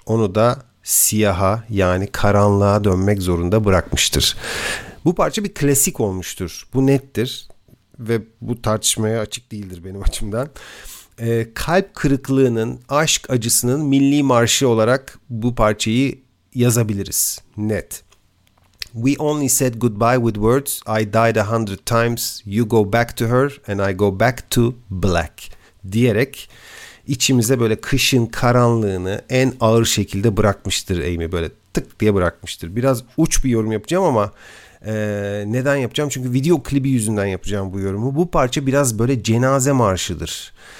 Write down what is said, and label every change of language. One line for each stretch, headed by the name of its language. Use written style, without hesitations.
Turkish: Onu da siyaha, yani karanlığa dönmek zorunda bırakmıştır. Bu parça bir klasik olmuştur. Bu nettir ve bu tartışmaya açık değildir benim açımdan. Kalp kırıklığının, aşk acısının milli marşı olarak bu parçayı yazabiliriz. Net.
English: We only said goodbye with words. I died 100 times. You go back to her and I go back to black.
Turkish: Diyerek İçimize böyle kışın karanlığını en ağır şekilde bırakmıştır Amy. Böyle tık diye bırakmıştır. Biraz uç bir yorum yapacağım ama neden yapacağım? Çünkü video klibi yüzünden yapacağım bu yorumu. Bu parça biraz böyle cenaze marşıdır.